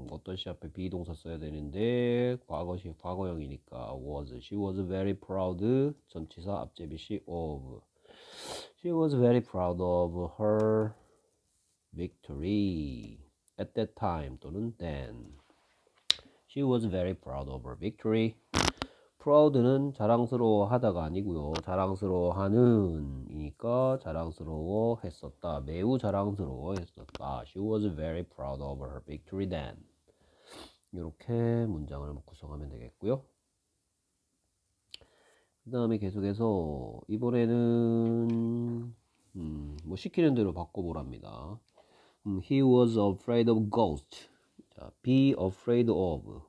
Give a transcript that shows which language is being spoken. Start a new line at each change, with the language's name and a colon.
Korean: 어떤 시 앞에 be 동사 써야 되는데 과거시 과거형이니까 was.
English: She was very proud.
Korean: 전치사 앞제비 시 of.
English: She was very proud of her victory at that time 또는 then. She was very proud of her victory. Proud는
Korean: 자랑스러워하다가 아니고요. 자랑스러워하는이니까 자랑스러워했었다. 매우 자랑스러워했었다.
English: She was very proud of her victory then.
Korean: 이렇게 문장을 구성하면 되겠고요. 그다음에 계속해서 이번에는 뭐 시키는 대로 바꿔보랍니다.
English: He was afraid of ghosts. Be afraid of.